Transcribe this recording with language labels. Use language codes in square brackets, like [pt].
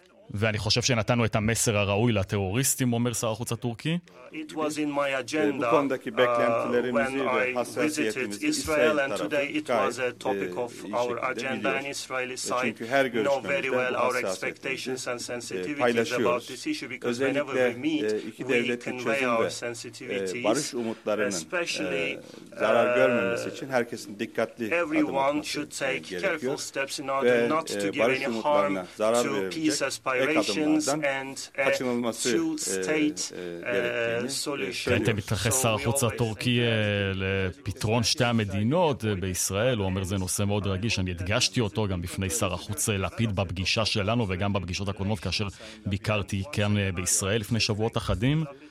[he] ואני חושב שנתנו את המסר הראוי לטרוריסטים, אומר שר החוץ הטורקי. [en] It was in my agenda when I visited Israel and today it was a topic of our agenda and Israeli side know very well our expectations and sensitivities about this issue because whenever we meet we convey our sensitivities especially [tr] zarar görmemesi için herkesin dikkatli [en] everyone should take careful steps in order not to give any harm to peace aspirations and two-state [he] כן, אתם מתרחש שר החוץ הטורקי לפתרון שתי המדינות בישראל, הוא אומר זה נושא מאוד רגיש, אני הדגשתי אותו גם בפני שר החוץ לפיד בפגישה שלנו וגם בפגישות הקודמות כאשר ביקרתי כאן בישראל לפני שבועות אחדים.